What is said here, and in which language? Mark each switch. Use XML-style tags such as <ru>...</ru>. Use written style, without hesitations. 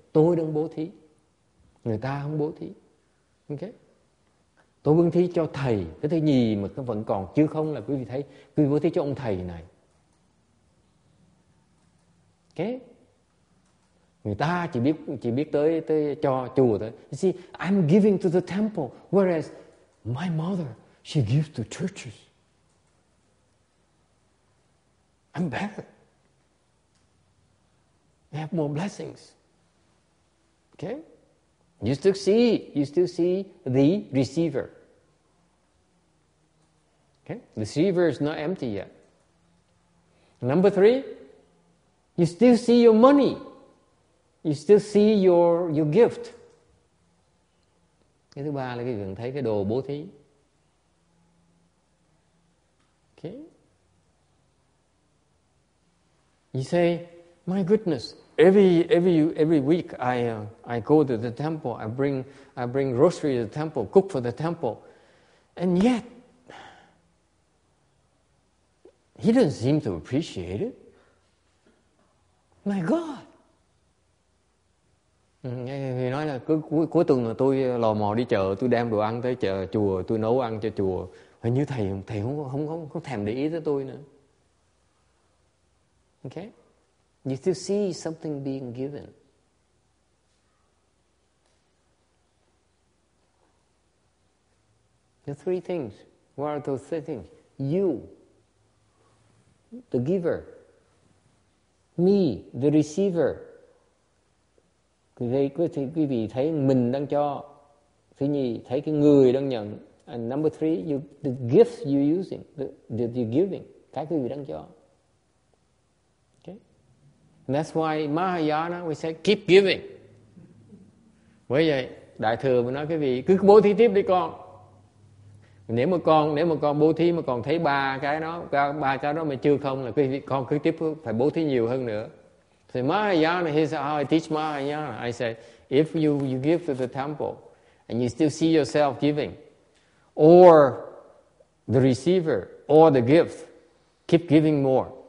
<vi>Tôi đang bố thí, người ta không bố thí. Okay. Tôi bố thí cho thầy, cái thứ nhì mà nó vẫn còn, chứ không là quý vị thấy, quý vị bố thí cho ông thầy này. Okay. Người ta chỉ biết tới cho chùa thôi.</vi> <en>You see, I'm giving to the temple, whereas my mother, she gives to churches. I'm better. I have more blessings. Okay? You still see the receiver. Okay? The receiver is not empty yet. Number three, you still see your money. You still see your gift.</en> <vi>Cái thứ ba là cái gần thấy cái đồ bố thí.</vi> <en>Okay. You say, my goodness, every week I go to the temple. I bring rosary to the temple, cook for the temple, and yet he doesn't seem to appreciate it. My God.</en> <vi>Thì nói là cứ cuối tuần là tôi lò mò đi chợ, tôi đem đồ ăn tới chợ chùa, tôi nấu ăn cho chùa. Hình như thầy không thèm để ý tới tôi nữa.</vi> <en>Okay? You still see something being given. The three things. What are those three things? You, the giver. Me, the receiver.</en> <vi>Thì quý vị thấy mình đang cho. Thứ nhì, thấy cái người đang nhận.</vi> <en>And number three, the gifts you're using, the you're giving,</en> <vi>cái quý vị đang cho.</vi> <en>Okay? And that's why Mahayana, we say, keep giving.</en> <vi>Bởi vậy, Đại Thừa mới nói quý vị, cứ bố thí tiếp đi con. Nếu mà con bố thí mà còn thấy ba cái đó mà chưa không, là quý vị con cứ tiếp phải bố thí nhiều hơn nữa.</vi> <en>So Mahayana, he said, I teach Mahayana. I said, if you give to the temple and you still see yourself giving, or the receiver, or the gift, keep giving more.</en>